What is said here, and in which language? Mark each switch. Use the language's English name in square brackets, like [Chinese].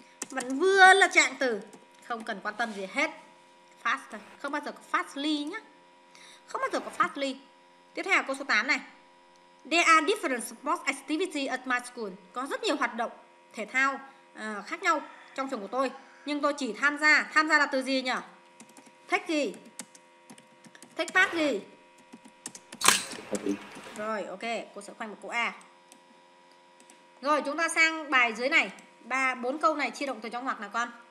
[Vietnamese] Vẫn vừa là trạng từ, không cần quan tâm gì hết. Fast thôi, không bao giờ có fastly nhá. Không bao giờ có fastly. Tiếp theo câu số 8 này. [English] There are different sports activities at my school. [Vietnamese] Có rất nhiều hoạt động thể thao khác nhau trong trường của tôi, nhưng tôi chỉ tham gia là từ gì nhỉ? Thích gì? Thích phát gì? Rồi, ok. Cô sẽ khoanh một câu A. Rồi, chúng ta sang bài dưới này. 3, 4 câu này chia động từ trong ngoặc nào con.